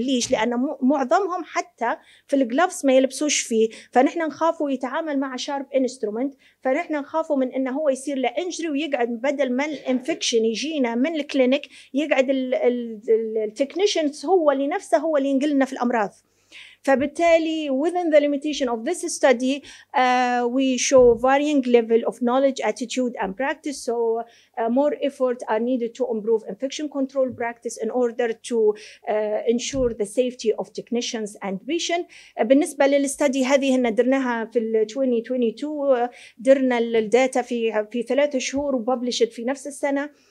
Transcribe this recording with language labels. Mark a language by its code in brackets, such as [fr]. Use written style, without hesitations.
[ar] ليش؟ لأن معظمهم حتى في الجلافز ما يلبسوش فيه، فنحن نخافوا يتعامل مع شارب إنسترومنت، فنحن نخافوا من إن هو يصير له إنجري ويقعد بدل ما الإنفكشن يجينا من الكلينيك يقعد التكنيك هو اللي نفسه هو اللي ينقلنا في الأمراض. [en] فبالتالي within the limitation of this study we show varying level of knowledge, attitude and practice. So more effort are needed to improve infection control practice in order to ensure the safety of technicians and patient. [ar] بالنسبة للستدي هذه هنا درناها في 2022 درنا الداتا في 3 شهور وببلشت في نفس السنة.